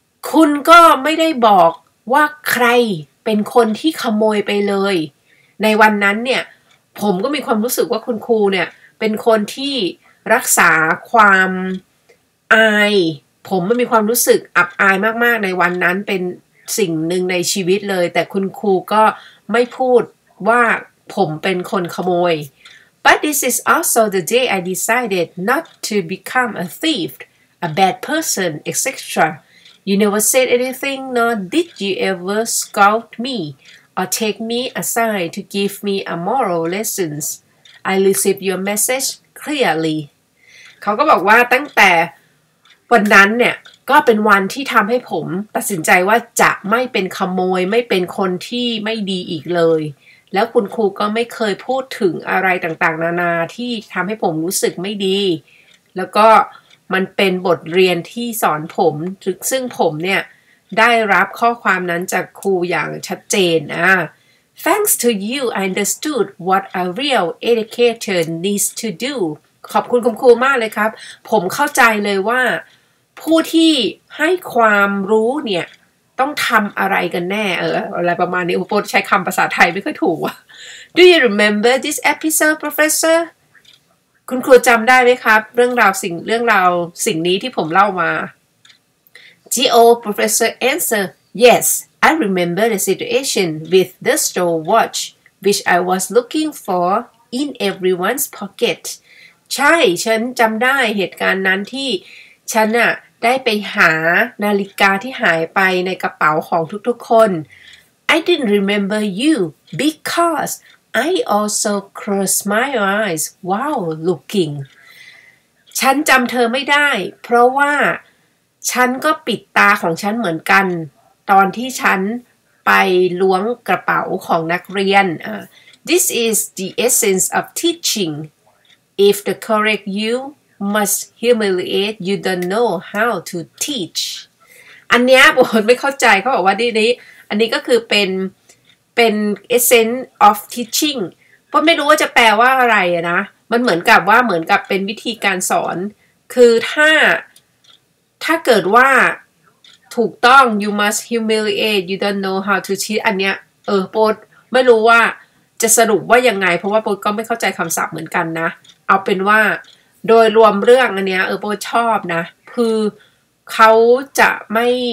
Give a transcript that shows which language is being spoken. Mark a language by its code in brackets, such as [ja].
[th] คุณก็ไม่ได้บอกว่าใครเป็นคนที่ขโมยไปเลยในวันนั้นเนี่ยผมก็มีความรู้สึกว่าคุณครูเนี่ยเป็นคนที่รักษาความอายผมไม่มีความรู้สึกอับอายมากๆในวันนั้นเป็นสิ่งหนึ่งในชีวิตเลยแต่คุณครูก็ไม่พูดว่าผมเป็นคนขโมย [en] But this is also the day I decided not to become a thief, a bad person, etc. You never said anything nor did you ever scold me or take me aside to give me a moral lesson. I received your messageClearly [th] เขาก็บอกว่าตั้งแต่วันนั้นเนี่ยก็เป็นวันที่ทำให้ผมตัดสินใจว่าจะไม่เป็นขโมยไม่เป็นคนที่ไม่ดีอีกเลยแล้วคุณครูก็ไม่เคยพูดถึงอะไรต่างๆนานาที่ทำให้ผมรู้สึกไม่ดี แล้วก็มันเป็นบทเรียนที่สอนผมซึ่งผมเนี่ยได้รับข้อความนั้นจากครูอย่างชัดเจนอ่ะ [en] Thanks to you, I understood what a real educator needs to do. [th] ขอบคุณคุณครูมากเลยครับผมเข้าใจเลยว่าผู้ที่ให้ความรู้เนี่ยต้องทำอะไรกันแน่อะไรประมาณนี้โอ้โหใช้คำภาษาไทยไม่ค่อยถูกอ่ะ [en] Do you remember this episode, professor? [th] คุณครูจำได้ไหมครับเรื่องราวสิ่งนี้ที่ผมเล่ามา G.O. [en] professor answer, yes. I remember the situation with the stolen watch, which I was looking for in everyone's pocket. [th] ใช่ฉันจำได้เหตุการณ์นั้นที่ฉันอะได้ไปหานาฬิกาที่หายไปในกระเป๋าของทุกๆคน [en] I didn't remember you because I also closed my eyes while looking. [th] ฉันจำเธอไม่ได้เพราะว่าฉันก็ปิดตาของฉันเหมือนกันตอนที่ฉันไปล้วงกระเป๋าของนักเรียน [en] This is the essence of teaching. If the correct you must humiliate, you don't know how to teach. [th] อันนี้ผมไม่เข้าใจเขาบอกว่านี่ก็คือเป็น [en] essence of teaching. [th] ผมไม่รู้ว่าจะแปลว่าอะไรนะมันเหมือนกับเป็นวิธีการสอนคือถ้าเกิดว่าถูกต้อง [en] you must humiliate you don't know how to cheat [th] อันเนี้ยโปดไม่รู้ว่าจะสรุปว่ายังไงเพราะว่าโปดก็ไม่เข้าใจคำศัพท์เหมือนกันนะเอาเป็นว่าโดยรวมเรื่องอันเนี้ยโปดชอบนะคือเขาจะไม่